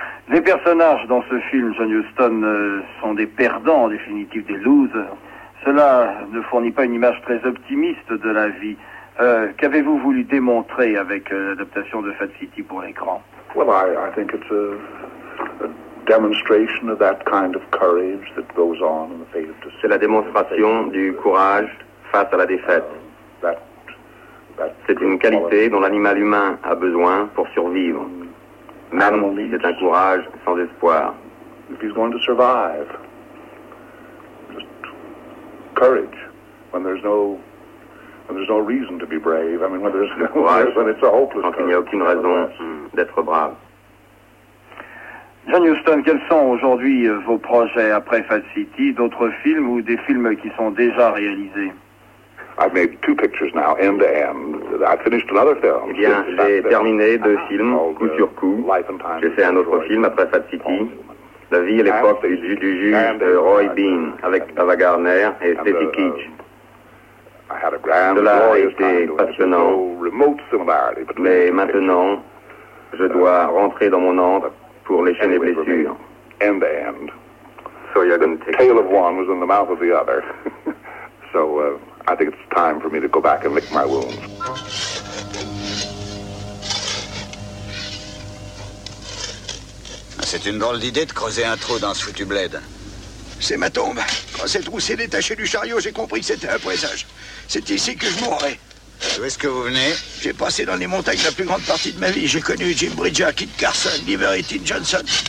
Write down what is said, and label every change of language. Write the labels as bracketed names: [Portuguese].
[French] Les personnages dans ce film, John Huston, sont des perdants, en définitive des losers. Cela ne fournit pas une image très optimiste de la vie. Qu'avez-vous voulu démontrer avec l'adaptation de Fat City pour l'écran? [English] Well, I think it's a demonstration of that kind of courage that goes on in the face of [French] C'est la démonstration du courage face à la défaite. C'est une qualité dont l'animal humain a besoin pour survivre, même si c'est un courage sans espoir. [English] If he's going to survive, just courage when there's no reason to be brave. I mean, when it's a hopeless. [French] Quand il n'y a aucune raison d'être brave. John Huston, quels sont aujourd'hui vos projets après Fat City, d'autres films ou des films qui sont déjà réalisés? [English] I've made two pictures now, end to end. I finished another film. [French] Eh bien, j'ai terminé deux films, coup sur coup. J'ai fait un autre film après Fat City, La vie et l'époque du juge de Roy Bean, avec Ava Gardner et Stacy Keach. Cela a été passionnant, mais maintenant, je dois rentrer dans mon antre pour lécher mes blessures. [English] End to end. So you're going to take the tail of one was in the mouth of the other. So, I think it's time for me to go back and lick my wounds. [French] C'est une drôle d'idée de creuser un trou dans ce foutu bled. C'est ma tombe. Quand ce trou s'est détaché du chariot, j'ai compris que c'était un présage. C'est ici que je mourrai. D'où est-ce que vous venez? J'ai passé dans les montagnes la plus grande partie de ma vie. J'ai connu Jim Bridger, Kit Carson, Liberty Johnson.